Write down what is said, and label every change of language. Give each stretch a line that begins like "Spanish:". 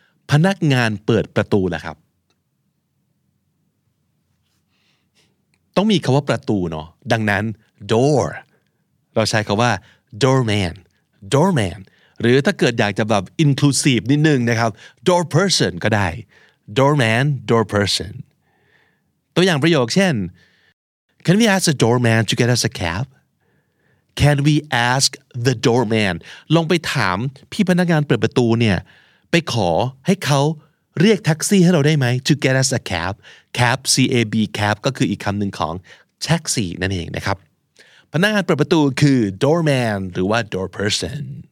Thai: พนักงานเปิดประตูแหละครับต้องมีคำว่าประตูเนาะดังนั้น door. เราใช้คำว่า doorman. หรือถ้าเกิดอยากจะแบบ inclusive นิดนึงนะครับ door person ก็ได้ doorman, door person. ตัวอย่างประโยคเช่น
English: Can we ask the doorman to get us a cab? Can we ask the doorman?
Thai: ลองไปถามพี่พนักงานเปิดประตูเนี่ยไปขอให้เขาเรียกแท็กซี่ให้เราได้ไหม
English: To get us a cab
Thai: Cab C-A-B cab ก็คืออีกคำหนึ่งของแท็กซี่นั่นเองนะครับพนักงานเปิดประตูคือ doorman หรือว่า door person